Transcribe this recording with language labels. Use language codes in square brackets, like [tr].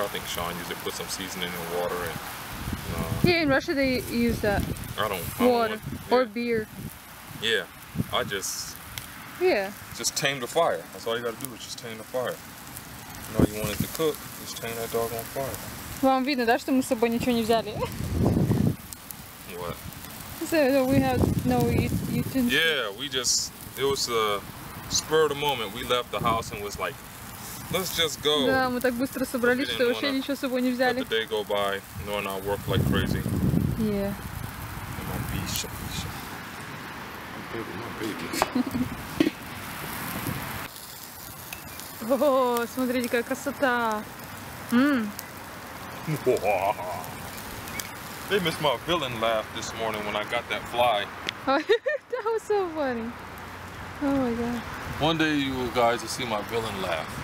[en] I think Sean used it, put some seasoning in the water and yeah, in Russia they use that. I don't want water. Or beer. Yeah, I just... Yeah. Just tame the fire. That's all you gotta do is just tame the fire. You know you want it to cook, just tame that dog on fire. [ru] Вам видно, да, что мы с собой ничего не взяли? [en] What? So we have no utensils. Yeah, we just... It was a spur of the moment. We left the house and was like... Let's just go. [ru] Да, мы так быстро собрались, что вообще ничего с собой не взяли. [en] Let the day go by, knowing I work like crazy. Yeah. And my bicha, bicha. My baby. [ru] О, смотрите, какая красота. [en] They missed my villain laugh this morning when I got that fly. That was so funny. Oh my god. One day you guys will see my villain laugh.